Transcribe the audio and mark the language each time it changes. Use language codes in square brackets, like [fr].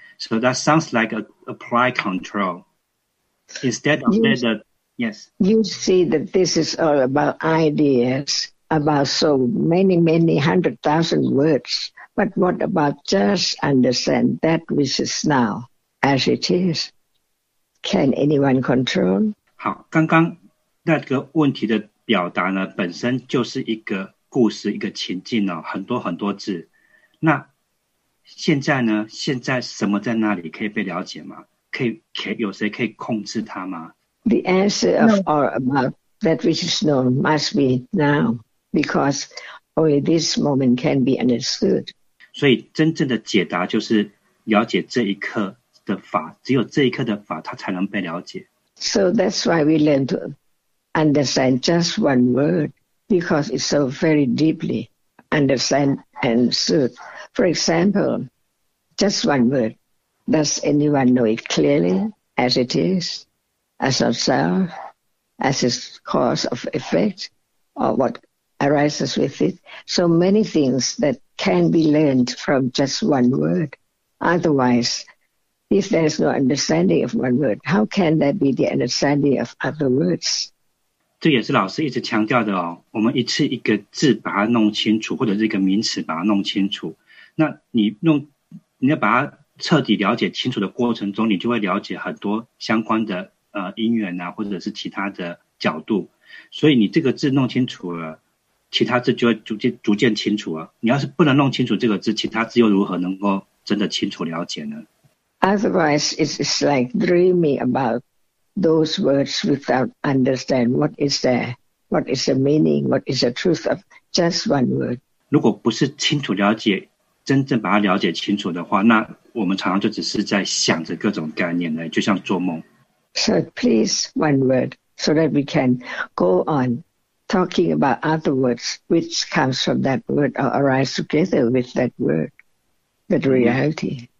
[en] So that sounds like apply control. Instead of that, yes. You see that this is all about ideas, about so many, many hundred thousand words. But what about just understand that which is now, as it is? Can anyone control? [zh] 好，刚刚那个问题的表达呢，本身就是一个故事，一个情境哦，很多很多字。那现在呢？现在什么在那里可以被了解吗？可以有谁可以控制它吗 [en] ？The answer of all about that which is known must be now, because only this moment can be understood. [zh] 所以真正的解答就是了解这一刻的法，只有这一刻的法它才能被了解。 [en] So that's why we learn to understand just one word because it's so very deeply understand and suit. For example, just one word. Does anyone know it clearly as it is, as of self, as its cause of effect, or what arises with it? So many things thatcan be learned from just one word. Otherwise, if there is no understanding of one word, how can there be the understanding of other words? [zh] 这也是老师一直强调的哦，我们一次一个字把它弄清楚，或者是一个名词把它弄清楚。那你要把它彻底了解清楚的过程中，你就会了解很多相关的因缘啊，或者是其他的角度。所以你这个字弄清楚了，其他字就会逐渐清楚啊！你要是不能弄清楚这个字，其他字又如何能够真的清楚了解呢 [en] ？Otherwise, it's like dreaming about those words without understand what is there, what is the meaning, what is the truth of just one word. [zh] 如果不是清楚了解，真正把它了解清楚的话，那我们常常就只是在想着各种概念呢，就像做梦。 [en] So please, one word, so that we can go on. Talking about other words, which comes from that word or arise together with that word, that reality.